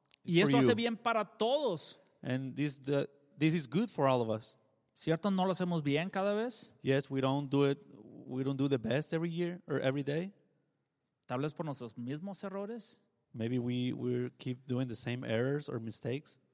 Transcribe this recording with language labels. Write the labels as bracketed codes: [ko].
[es] Y esto hace bien para todos. [en] And this is good for all of us. [es] ¿Cierto? ¿No lo hacemos bien cada vez? [en] Yes, we don't do it. We don't do the best every year or every day. [es] Tal vez por nuestros mismos errores. [en] Maybe we keep doing the same errors or mistakes.